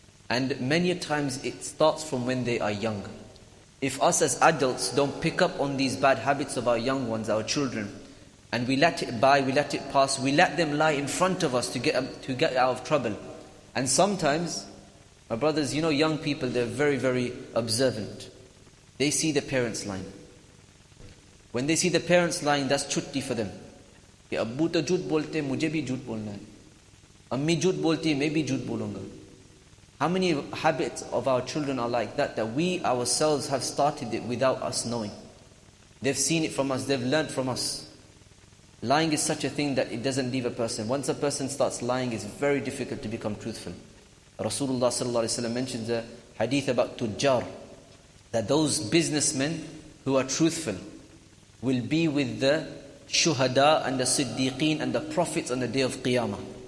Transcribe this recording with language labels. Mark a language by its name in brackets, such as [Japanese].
[English] And many a times it starts from when they are young. If us as adults don't pick up on these bad habits of our young ones, our children, and we let it by, we let it pass, we let them lie in front of us to get out of trouble. And sometimes, my brothers, you know, young people, they're very, very observant. They see the parents lying. When they see the parents lying, that's chutti for them. [Urdu] کی ابو تو جھوٹ بولتے، مجھے بھی جھوٹ بولنا ہے۔ امی جھوٹ بولتی، میں بھی جھوٹ بولوں گا۔ [English] How many habits of our children are like that, that we ourselves have started it without us knowing? They've seen it from us, they've learned from us. Lying is such a thing that it doesn't leave a person. Once a person starts lying, it's very difficult to become truthful. Rasulullah sallallahu alaihi wasallam mentions a hadith about tujjar, that those businessmen who are truthful will be with the shuhada and the siddiqeen and the prophets on the day of qiyamah.